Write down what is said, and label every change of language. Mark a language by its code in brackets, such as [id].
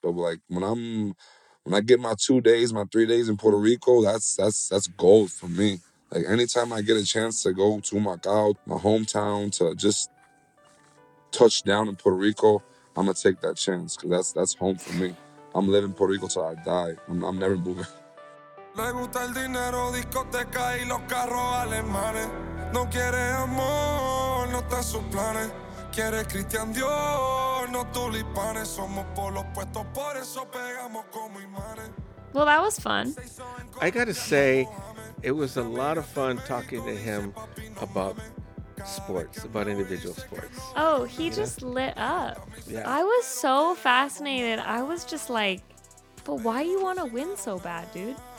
[en] But, like, when I get my 2 days, my 3 days in Puerto Rico, that's gold for me. Like, anytime I get a chance to go to Macao, my hometown, to just touch down in Puerto Rico, I'm going to take that chance because that's home for me. I'm living Puerto Rico till I die. I'm never moving. [es] Le gusta el dinero, discoteca y los carros alemanes. No quiere amor, no está en sus planes. Quiere Cristian Dior, no tulipanes. Somos por los puestos, por eso pegamos como imanes. [en] Well, that was fun. I gotta say, it was a lot of fun talking to him about sports, about individual sports. Oh, he just lit up. Yeah. I was so fascinated. I was just like, but why do you want to win so bad, dude?